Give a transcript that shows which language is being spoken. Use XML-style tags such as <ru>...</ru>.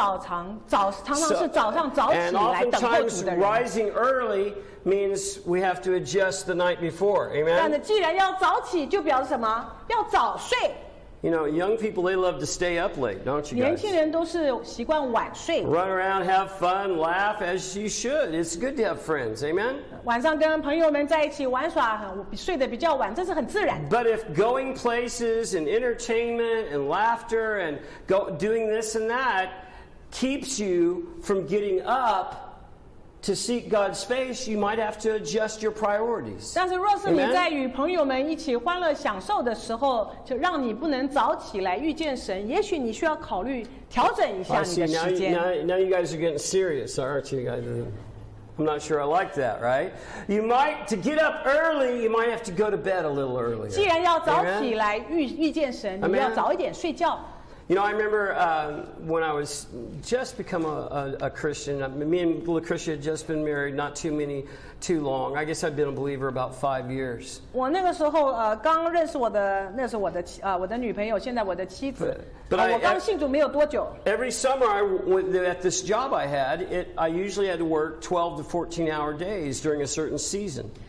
<zh>所有伟大的圣徒都是早上早起来等候主的人。</zh> <en>And oftentimes rising early means we have to adjust the night before. Amen?</en> <zh>但既然要早起就表示什么? 要早睡。</zh> <en>You know, young people, they love to stay up late, don't you guys?</en> <zh>年轻人都是习惯晚睡。</zh> <en>Run around, have fun, laugh, as you should. It's good to have friends, amen?</en> <zh>晚上跟朋友们在一起玩耍, 睡得比较晚, 这是很自然的。</zh> <en>But if going places and entertainment and laughter and doing this and that keeps you from getting up to seek God's face, you might have to adjust your priorities.</en> <zh>但是若是你在与朋友们一起欢乐享受的时候, 就让你不能早起来遇见神, 也许你需要考虑调整一下你的时间。</zh> <en>Now you guys are getting serious, aren't you guys? I'm not sure I like that, right? You might, to get up early, you might have to go to bed a little earlier.</en> <zh>既然要早起来遇见神, 你要早一点睡觉。</zh> <en>You know, I remember when I was just become a Christian, me and LaChristia had just been married not too long. I guess I'd been a believer about 5 years.</en> <zh>我那个时候刚认识我的女朋友,现在我的妻子,</zh> <en>every summer I went at this job I had, I usually had to work 12 to 14 hour days during a certain season.</en>